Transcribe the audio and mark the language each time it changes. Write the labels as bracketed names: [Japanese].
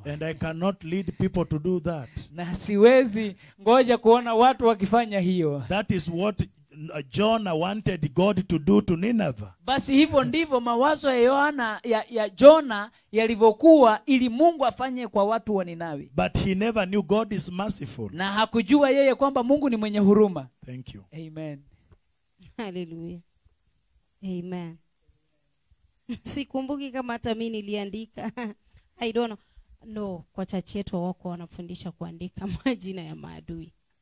[English] And I cannot lead people to do that. [Swahili] Na siwezi ngoja kuona watu wakifanya hiyo. [English] That is what Jonah wanted God to do to Nineveh. [Swahili] Basi hivyo ndivyo mawazo ya Yohana ya Jonah yalivyokuwa ili Mungu afanye kwa watu wa Ninawi. [English] But he never knew God is merciful. [Swahili] Na hakujua yeye kwamba Mungu ni mwenye huruma. [English] Thank you. Amen. [Swahili] Hallelujah. Amen. Sikumbuki kama hata mimi niliandika. [English] I don't know. [Swahili] No, kwa church yetu wako wanafundisha kuandika majina ya maadui.